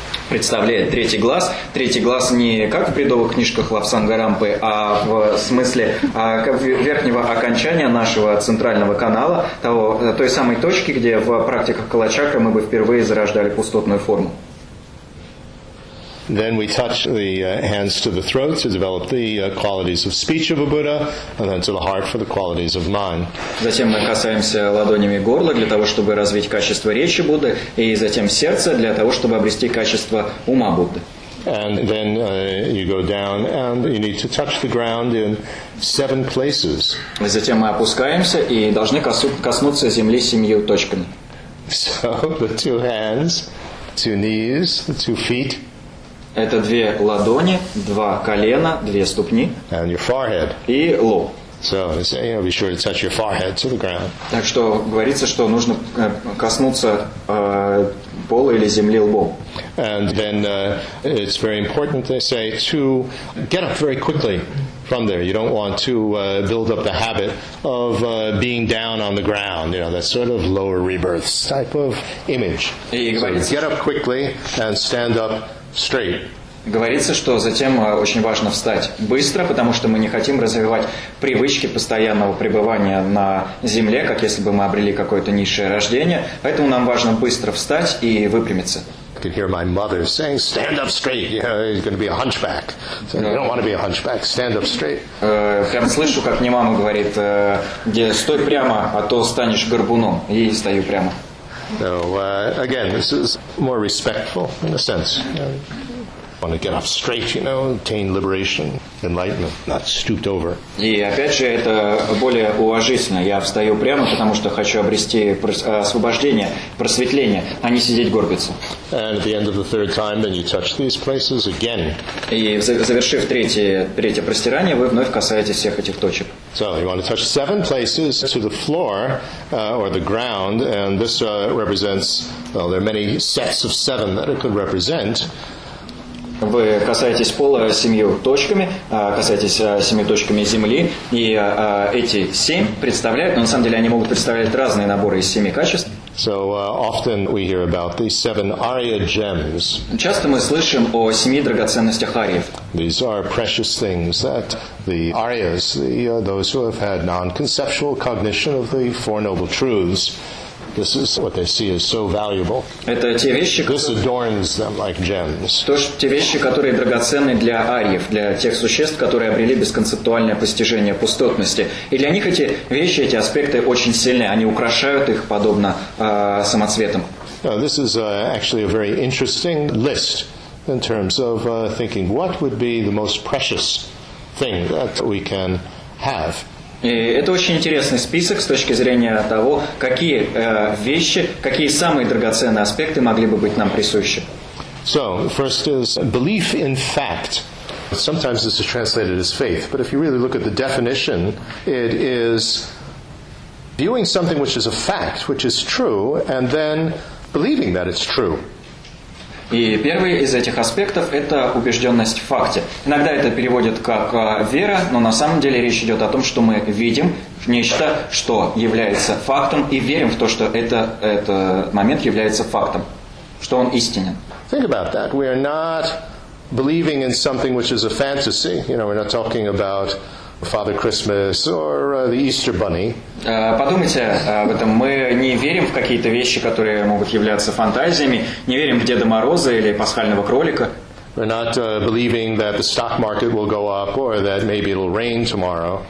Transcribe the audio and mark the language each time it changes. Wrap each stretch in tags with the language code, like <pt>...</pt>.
<ru>представляет третий глаз. Третий глаз не как в бредовых книжках Лавсангарампы, а в смысле верхнего окончания нашего центрального канала, той самой точки, где в практиках калачакры мы бы впервые зарождали пустотную форму.</ru> <en>Then we touch the hands to the throat to develop the qualities of speech of a Buddha, and then to the heart for the qualities of mind.</en> <ru>Затем мы касаемся ладонями горла для того, чтобы развить качество речи Будды, и затем сердце для того, чтобы обрести качество ума Будды.</ru> <en>And then you go down, and you need to touch the ground in seven places.</en> <ru>И затем мы опускаемся и должны коснуться земли семью точками.</ru> <en>So the two hands, two knees, the two feet.</en> <ru>Это две ладони, два колена, две ступни</ru> <en>and your forehead.</en> <ru>И лоб.</ru> <en>So, say, be sure to touch your forehead to the ground.</en> <ru>Так что говорится, что нужно коснуться пола или земли лбом.</ru> <en>And then it's very important, they say, to get up very quickly from there. You don't want to build up the habit of being down on the ground. You know, that sort of lower rebirths type of image. So, get up quickly and stand up. Straight.</en> <ru>Говорится, что затем очень важно встать быстро, потому что мы не хотим развивать привычки постоянного пребывания на земле, как если бы мы обрели какое-то низшее рождение. Поэтому нам важно быстро встать и выпрямиться.</ru> <en>I could hear my mother saying, "Stand up straight. You're going to be a hunchback." So you don't want to be a hunchback. Stand up straight.</en> <ru>Прям слышу, как мне мама говорит, где стой прямо, а то станешь горбуном. И стою прямо.</ru> <en>So again, this is more respectful in a sense. You want to get up straight, you know, attain liberation, enlightenment, not stooped over.</en> <ru>И опять же, это более уважительно. Я встаю прямо, потому что хочу обрести освобождение, просветление, а не сидеть горбиться.</ru> <en>And at the end of the third time, then you touch these places again.</en> <ru>И завершив третье простирание, вы вновь касаетесь всех этих точек.</ru> <en>So you want to touch seven places to the floor or the ground, and this represents, well, there are many sets of seven that it could represent.</en> <ru>Вы касаетесь пола семью точками, касаетесь семи точками земли, и эти семь представляют, но на самом деле они могут представлять разные наборы из семи качеств.</ru> <en>So often we hear about these seven Arya gems.</en> <ru>Часто мы слышим о семи драгоценностях Ариев.</ru> <en>These are precious things that the Aryas, those who have had non-conceptual cognition of the Four Noble Truths, this is what they see as so valuable.</en> <ru>Это те вещи,</ru> <en>this adorns them like gems.</en> <ru>Те вещи, которые драгоценны для Ариев, для тех существ, которые обрели бесконцептуальное постижение пустотности. И для них эти вещи, эти аспекты очень сильны. Они украшают их подобно самоцветам.</ru> <en>This is actually a very interesting list in terms of thinking what would be the most precious thing that we can have.</en> <ru>И это очень интересный список с точки зрения того, какие вещи, какие самые драгоценные аспекты могли бы быть нам присущи.</ru> <en>So, first is belief in fact. Sometimes this is translated as faith, but if you really look at the definition, it is viewing something which is a fact, which is true, and then believing that it's true.</en> <ru>И первый из этих аспектов – это убежденность в факте. Иногда это переводят как вера, но на самом деле речь идет о том, что мы видим нечто, что является фактом, и верим в то, что это момент является фактом, что он истинен.</ru> <en>Think about that. We are not believing in something which is a fantasy. You know, we're not talking about Father Christmas or the Easter Bunny.</en> <ru>Подумайте об этом. Мы не верим в какие-то вещи, которые могут являться фантазиями. Не верим в Деда Мороза или пасхального кролика.</ru> <en>We're not believing that the stock market will go up or that maybe it'll rain tomorrow.</en>